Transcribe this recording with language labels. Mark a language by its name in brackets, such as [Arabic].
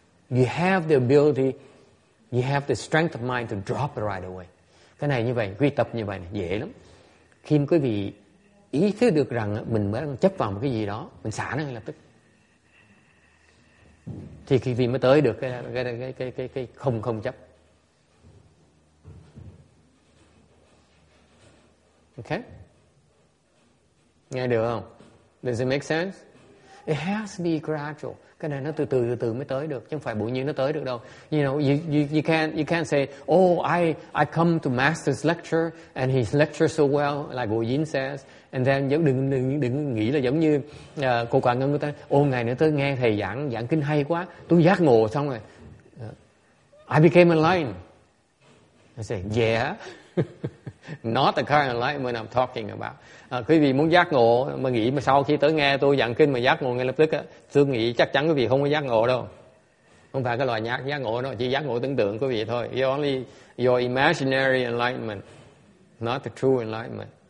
[English] You have the ability, you have the strength of mind to drop it right away. [Vietnamese] Cái này như vậy, quy tập như vậy này, dễ lắm. Khi quý vị ý thức được rằng mình mới chấp vào một cái gì đó, mình xả nó ngay lập tức. Thì khi vị mới tới được cái không chấp. [English] Okay? [Vietnamese] Nghe được không? [English] Does it make sense? It has to be gradual. [Vietnamese] Cái này nó từ từ từ từ mới tới được, chứ không phải bỗng nhiên nó tới được đâu. [English] You know, you can't say, oh, I come to master's lecture and he lectures so well, like Bồ Dính says. [Vietnamese] And then đừng nghĩ là giống như cô Quả Ngân người ta, ô ngày nữa tôi nghe thầy giảng kinh hay quá, tôi giác ngộ xong rồi. [English] I became enlightened. I say, yeah. Not the kind of enlightenment I'm talking about. [Vietnamese] Quý vị muốn giác ngộ mà nghĩ mà sau khi tới nghe tôi giảng kinh mà giác ngộ ngay lập tức á, tôi nghĩ chắc chắn quý vị không có giác ngộ đâu. Không phải cái loại giác ngộ đâu, chỉ giác ngộ tưởng tượng quý vị thôi. [English] You only your imaginary enlightenment, not the true enlightenment.